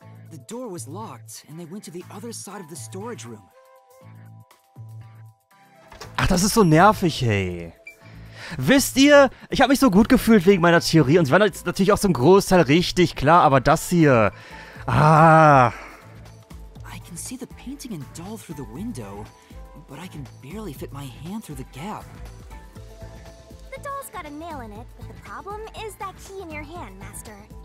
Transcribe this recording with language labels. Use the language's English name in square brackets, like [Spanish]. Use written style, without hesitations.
[English] The door was locked and they went to the other side of the storage room. [German] Ach, das ist so nervig, hey. Wisst ihr, ich habe mich so gut gefühlt wegen meiner Theorie und sie waren jetzt natürlich auch zum Großteil richtig, klar, aber das hier. Ah. [English] I can see the painting and doll through the window, but I can barely fit my hand through the gap. The doll's got a nail in it, but the problem is that key in your hand, master.